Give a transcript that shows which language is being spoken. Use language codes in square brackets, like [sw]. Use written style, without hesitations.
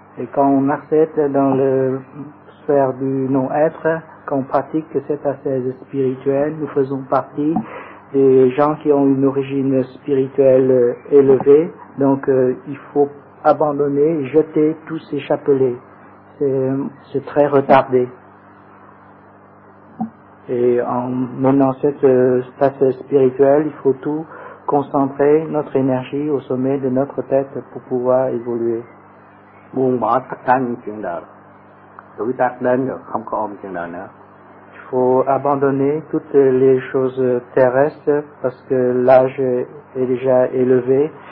[fr] Et quand on accède dans la sphère du non-être, qu'on pratique cette ascèse spirituelle, nous faisons partie des gens qui ont une origine spirituelle élevée, donc il faut abandonner et jeter tous ces chapelets. C'est très retardé. Et en menant cette ascèse spirituelle, il faut tout concentrer notre énergie au sommet de notre tête pour pouvoir évoluer. [vi] Buông bỏ tất cả những chuyện đời. Tuổi tác đến rồi, không có ôm chuyện đời nữa. [fr] Faut abandonner toutes les choses terrestres parce que l'âge est déjà élevé.